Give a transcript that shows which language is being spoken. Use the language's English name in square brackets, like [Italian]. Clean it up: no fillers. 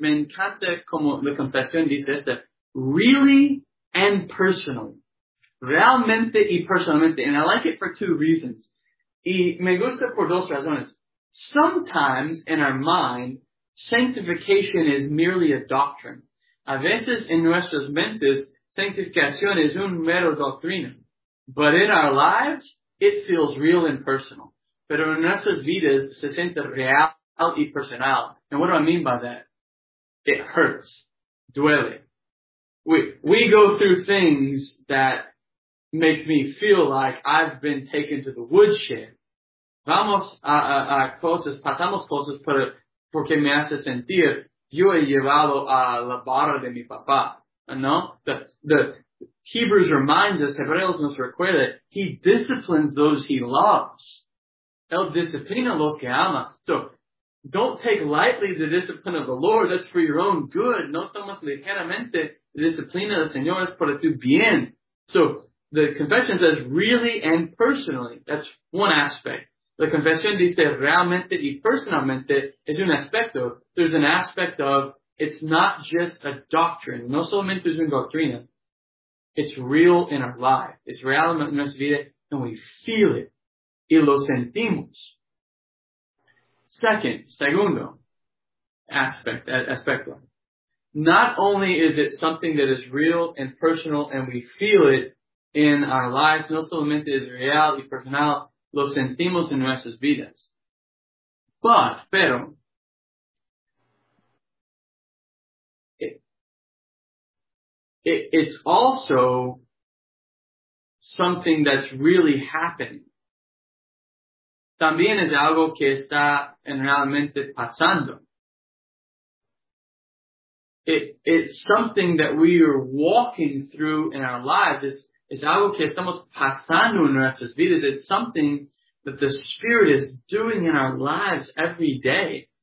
[Spanish] Me encanta como la confesión dice esta. [English] Really and personally. [Spanish] Realmente y personalmente. [English] And I like it for two reasons. [Spanish] Y me gusta por dos razones. [English] Sometimes in our mind, sanctification is merely a doctrine. [Spanish] A veces en nuestras mentes, sanctificación es un mero doctrina. [English] But in our lives, it feels real and personal. [Spanish] Pero en nuestras vidas, se siente real y personal. [English] And what do I mean by that? It hurts. [Spanish] Duele. [English] We go through things that make me feel like I've been taken to the woodshed. [Spanish] Vamos a cosas, pasamos cosas porque me hace sentir yo he llevado a la barra de mi papá, ¿no? [English] The Hebrews reminds us, [Spanish] Hebreos nos recuerda, [English] he disciplines those he loves. [Spanish] Él disciplina los que ama. [English] So, don't take lightly the discipline of the Lord, that's for your own good. [Spanish] No tomas ligeramente la disciplina del Señor, es para tu bien. [English] So, the confession says really and personally. That's one aspect. The confession [Spanish] dice realmente y personalmente es un aspecto. [English] There's an aspect of it's not just a doctrine. [Spanish] No solamente es una doctrina. [English] It's real in our life. It's real in [Spanish] nuestra vida [English] and we feel it. [Spanish] Y lo sentimos. Segundo [English] aspect, [Spanish] aspecto. [English] Not only is it something that is real and personal and we feel it, in our lives, [Spanish] no solamente es real y personal, lo sentimos en nuestras vidas. Pero, [English] it's also something that's really happening. [Spanish] También es algo que está en realmente pasando. [English] It's something that we are walking through in our lives. It's [Spanish] algo que estamos pasando en nuestras vidas. [English] It's something that the Spirit is doing in our lives every day.